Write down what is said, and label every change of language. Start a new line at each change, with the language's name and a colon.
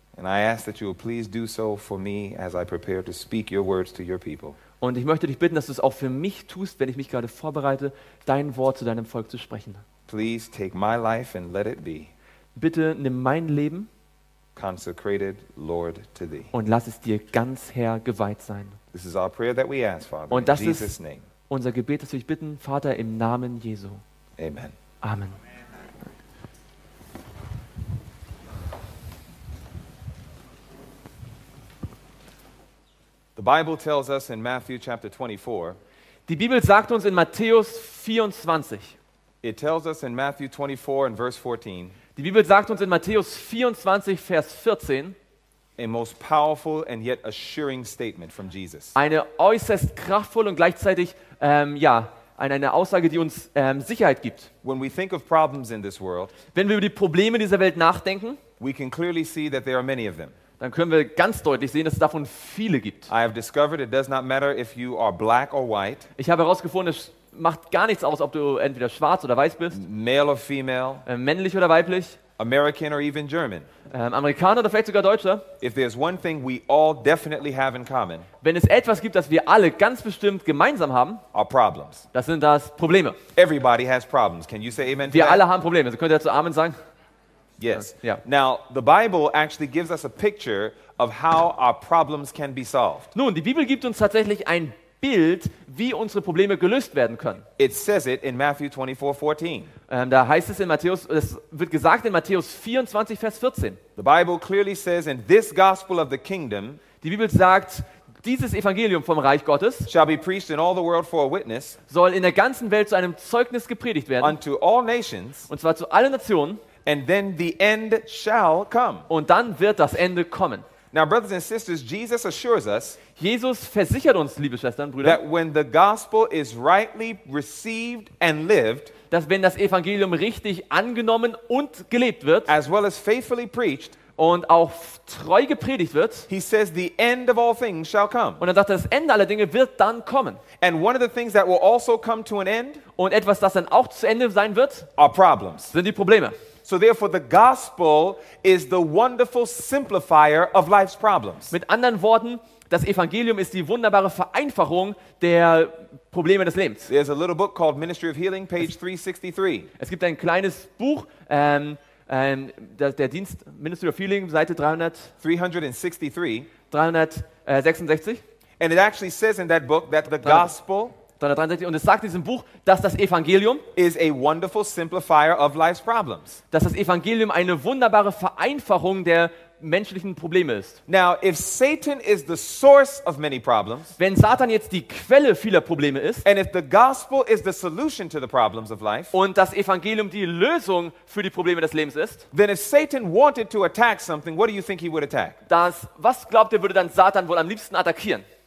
English: And I ask that you will please do so for me as I prepare to speak your words to your people.
German: Und ich möchte dich bitten, dass du es auch für mich tust, wenn ich mich gerade vorbereite, dein Wort zu deinem Volk zu sprechen.
English: Please take my life and let it be.
German: Bitte nimm mein Leben.
English: Consecrated, Lord, to thee.
German: Und lass es dir ganz Herr geweiht sein.
English: This is our prayer that we ask, Father.
German: Und das ist unser Gebet, das wir dich bitten, Vater, im Namen Jesu. Amen. Amen.
English: The Bible tells us in Matthew chapter 24.
German: Die Bibel sagt uns in Matthäus 24.
English: It tells us in Matthew 24 and verse 14.
German: Die Bibel sagt uns in Matthäus 24 Vers 14.
English: A most powerful and yet assuring statement from Jesus.
German: Eine äußerst kraftvolle und gleichzeitig eine Aussage, die uns Sicherheit gibt.
English: When we think of problems in this world,
German: wenn wir über die Probleme dieser Welt nachdenken,
English: we can clearly see that there are many of them.
German: Dann können wir ganz deutlich sehen, dass es davon viele gibt.
English: I have discovered it does not matter if you are black or white.
German: Ich habe herausgefunden, es macht gar nichts aus, ob du entweder schwarz oder weiß bist.
English: Male or female.
German: Männlich oder weiblich.
English: American or even German.
German: Amerikaner oder vielleicht sogar Deutscher.
English: If there's one thing we all definitely have in common.
German: Wenn es etwas gibt, das wir alle ganz bestimmt gemeinsam haben.
English: Our problems.
German: Das sind das Probleme.
English: Everybody has problems. Can you say amen to
German: wir
English: that?
German: Alle haben Probleme. Also könnt ihr dazu Amen sagen?
English: Yes. Yeah. Now, the Bible actually gives us a picture of how our problems can be solved.
German: Nun, die Bibel gibt uns tatsächlich ein Bild, wie unsere Probleme gelöst werden können.
English: It says it in Matthew 24:14.
German: Da heißt es in Matthäus, es wird gesagt in Matthäus 24 Vers 14.
English: The Bible clearly says in this gospel of the kingdom.
German: Die Bibel sagt, dieses Evangelium vom Reich Gottes
English: shall be preached in all the world for a witness.
German: Soll in der ganzen Welt zu einem Zeugnis gepredigt werden.
English: Unto all nations.
German: Und zwar zu allen Nationen.
English: And then the end shall come.
German: Und dann wird das Ende kommen.
English: Now, brothers and sisters, Jesus assures us.
German: Jesus versichert uns, liebe Schwestern, Brüder,
English: that when the gospel is rightly received and lived,
German: dass wenn das Evangelium richtig angenommen und gelebt wird,
English: as well as faithfully preached,
German: und auch treu gepredigt wird,
English: he says the end of all things shall come.
German: Und er sagt, das Ende aller Dinge wird dann kommen.
English: And one of the things that will also come to an end,
German: und etwas, das dann auch zu Ende sein wird,
English: are problems.
German: Sind die Probleme.
English: So therefore the gospel is the wonderful simplifier of life's problems.
German: Mit anderen Worten, das Evangelium ist die wunderbare Vereinfachung der Probleme des Lebens.
English: There's a little book called Ministry of Healing, page 363.
German: Es gibt ein kleines Buch, der Dienst Ministry of Healing, Seite 366.
English: And it actually says in that book that the gospel,
German: und es sagt in diesem Buch, dass das Evangelium
English: is a wonderful simplifier of life's problems.
German: Dass das Evangelium eine wunderbare Vereinfachung der menschlichen Probleme ist.
English: Now, if Satan is the source of many problems,
German: wenn Satan jetzt die Quelle vieler Probleme ist,
English: and if the gospel is the solution to the problems of life,
German: und das Evangelium die Lösung für die Probleme des Lebens ist,
English: then if Satan wanted to attack something, what do you think he would attack?
German: Was glaubt ihr, würde dann Satan wohl am liebsten attackieren?